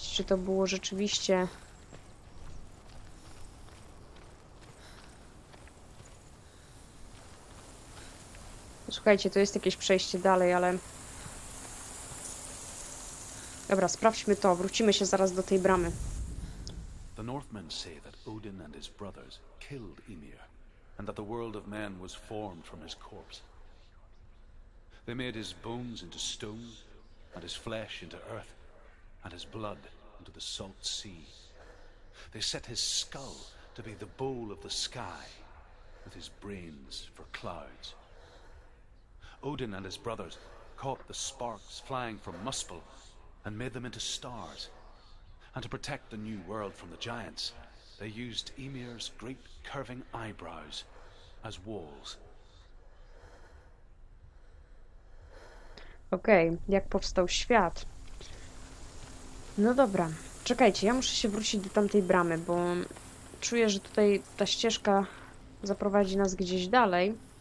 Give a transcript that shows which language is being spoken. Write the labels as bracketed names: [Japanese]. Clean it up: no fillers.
[Polish] Czy to było rzeczywiście... Słuchajcie, to jest jakieś przejście dalej, ale... Dobra, sprawdźmy to. Wrócimy się zaraz do tej bramy. [English] The Northmen say that Odin and his brothers killed Ymir, and that the world of men was formed from his corpse. They made his bones into stone, and his flesh into earth, and his blood into the salt sea. They set his skull to be the bowl of the sky, with his brains for clouds. Odin and his brothers caught the sparks flying from Muspel and made them into stars. And to protect the new world from the giants, they used Ymir's great curving eyebrows as walls. [Polish] Okej, okay, jak powstał świat. No dobra, czekajcie, ja muszę się wrócić do tamtej bramy, bo czuję, że tutaj ta ścieżka zaprowadzi nas gdzieś dalej.